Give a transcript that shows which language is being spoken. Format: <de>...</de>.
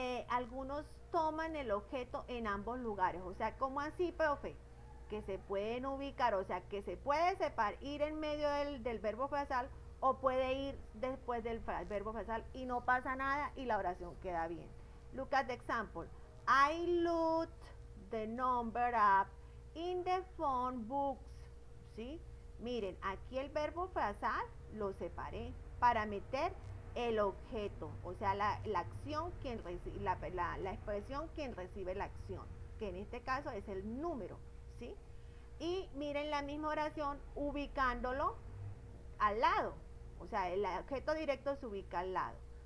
<es>Algunos toman el objeto en ambos lugares. O sea, ¿cómo así, profe? Que se pueden ubicar, o sea, que se puede separar, ir en medio del verbo frasal, o puede ir después del verbo frasal y no pasa nada y la oración queda bien.</es> <en>Look at the example. I looked the number up in the phone books.</en> <es>¿Sí? Miren, aquí el verbo frasal lo separé para meter el objeto, o sea, la acción, quien recibe, la expresión, quien recibe la acción, que en este caso es el número, ¿sí? Y miren la misma oración ubicándolo al lado, o sea, el objeto directo se ubica al lado.</es>